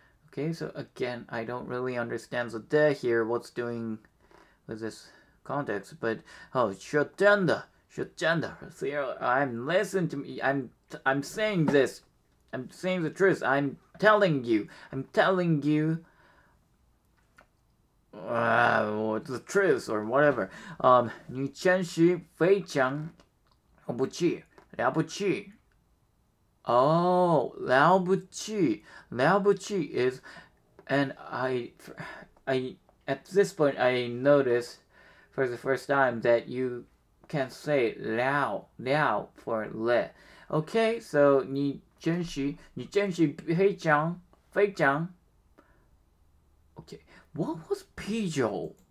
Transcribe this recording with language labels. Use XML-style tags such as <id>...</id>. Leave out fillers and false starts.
<en>Okay, so again, I don't really understand the day here, what's doing with this context, but, oh,</en> <zh>说真的。说真的,</zh> <en>I'm saying the truth, I'm telling you, the truth, or whatever.</en> <zh>你真是非常了不起, 了不起。</zh> <en>Oh,</en> <zh>了不起, 了不起</zh> <en>is, and I, at this point, I noticed for the first time that you... can say liao, liao for le. Okay, so</en> <zh>你真是非常非常</zh> <en>Okay, what was 啤酒?</en>